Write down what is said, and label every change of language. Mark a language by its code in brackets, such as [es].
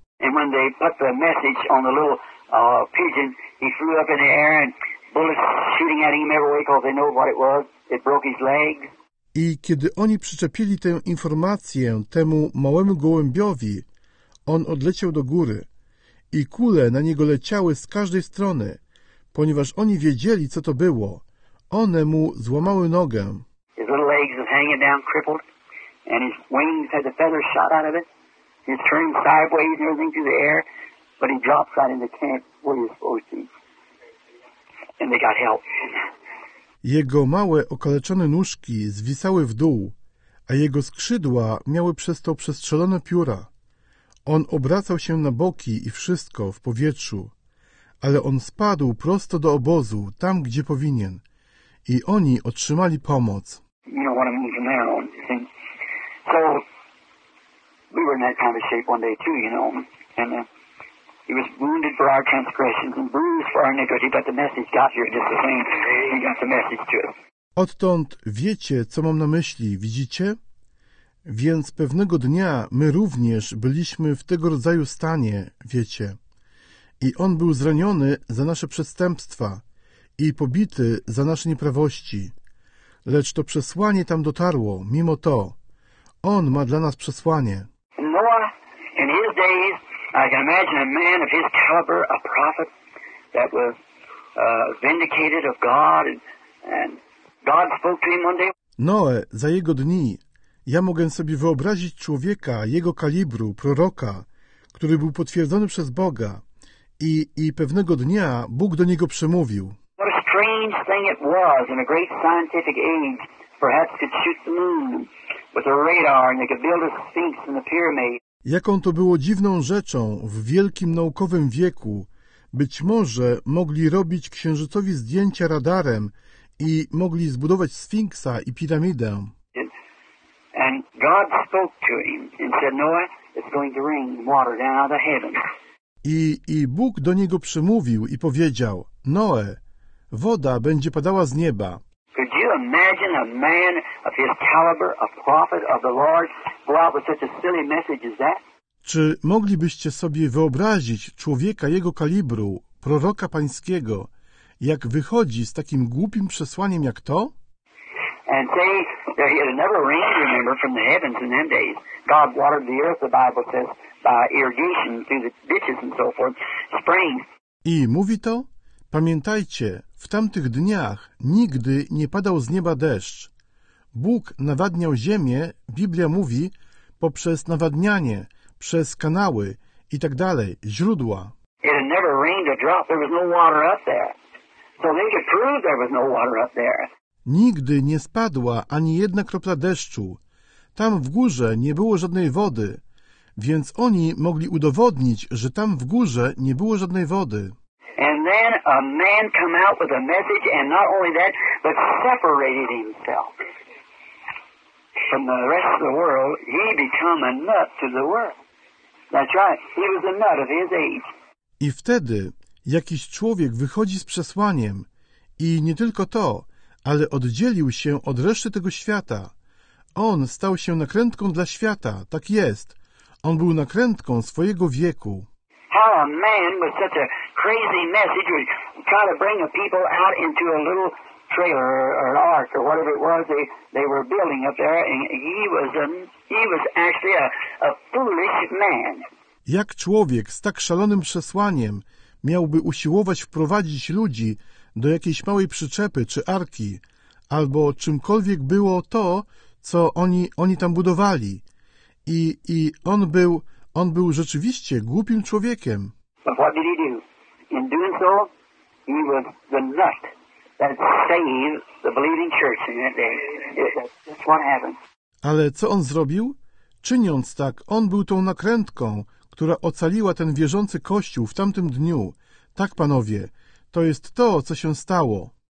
[en] And when they put the message on the little pigeon, he flew up in the air and bullets shooting at him every way because they know what it was. It broke his leg. [pl] I kiedy oni przyczepili tę informację temu małemu gołębiowi, on odleciał do góry i kule na niego leciały z każdej strony, ponieważ oni wiedzieli, co to było. One mu złamały nogę. [en] His little legs was hanging down crippled, and his wings had the feathers shot out of it. He was turning sideways and everything through the air, but he drops right in the camp where he was supposed to be. And they got help. [pl] Jego małe, okaleczone nóżki zwisały w dół, a jego skrzydła miały przez to przestrzelone pióra. On obracał się na boki i wszystko w powietrzu, ale on spadł prosto do obozu, tam gdzie powinien, i oni otrzymali pomoc. [en] You know what I mean from now on, so we were in that kind of shape one day too, you know, and he was wounded for our transgressions and bruised for our iniquity, but the message got here just the same. He got the message to us. [pl] Odtąd wiecie, co mam na myśli, widzicie? Więc pewnego dnia my również byliśmy w tego rodzaju stanie, wiecie. I on był zraniony za nasze przestępstwa i pobity za nasze nieprawości. Lecz to przesłanie tam dotarło, mimo to. On ma dla nas przesłanie. [en] Noah, in his days, I can imagine a man of his caliber, a prophet, that was vindicated of God, and God spoke to him one day. [pl] Noe, za jego dni, ja mogę sobie wyobrazić człowieka jego kalibru, proroka, który był potwierdzony przez Boga i pewnego dnia Bóg do niego przemówił. [en] What a strange thing it was in a great scientific age, perhaps could shoot the moon with a radar and they could build a sphinx in the pyramid. [pl] Jaką to było dziwną rzeczą w wielkim naukowym wieku, być może mogli robić księżycowi zdjęcia radarem i mogli zbudować sfinksa i piramidę. [en] And God spoke to him and said, Noah, it's going to rain water down out of heaven. [pl] I Bóg do niego przemówił i powiedział, Noe, woda będzie padała z nieba. [en] Could you imagine a man of his caliber, a prophet of the Lord, go out with such a silly message as that? [pl] Czy moglibyście sobie wyobrazić człowieka jego kalibru, proroka pańskiego, jak wychodzi z takim głupim przesłaniem jak to? [en] And say, it never rained, remember, from the heavens in them days. God watered the earth, the Bible says, by irrigation through the ditches and so forth, springs. [pl] I mówi to? Pamiętajcie, w tamtych dniach nigdy nie padał z nieba deszcz. Bóg nawadniał ziemię, Biblia mówi, poprzez nawadnianie, przez kanały i tak dalej, źródła. [en] It had never rained a drop. There was no water up there. So they could prove there was no water up there. [pl] Nigdy nie spadła ani jedna kropla deszczu. Tam w górze nie było żadnej wody, więc oni mogli udowodnić, że tam w górze nie było żadnej wody. [en] And then a man come out with a message, and not only that, but separated himself from the rest of the world. He became a nut to the world. That's right. He was a nut of his age. [pl] I wtedy jakiś człowiek wychodzi z przesłaniem, i nie tylko to, ale oddzielił się od reszty tego świata. On stał się nakrętką dla świata. Tak jest. On był nakrętką swojego wieku. [en] How a man with such a crazy message would try to bring a people out into a little trailer or ark or whatever it was they were building up there, and he was actually a foolish man. [pl] Jak człowiek z tak szalonym przesłaniem miałby usiłować wprowadzić ludzi do jakiejś małej przyczepy czy arki, albo czymkolwiek było to, co oni tam budowali. I on był rzeczywiście głupim człowiekiem. [en] But what did he do? In doing so, he was the nut that save the believing church in that day. That's what happened. [pl] Ale co on zrobił? Czyniąc tak, on był tą nakrętką, która ocaliła ten wierzący kościół w tamtym dniu. Tak, panowie, to jest to, co się stało.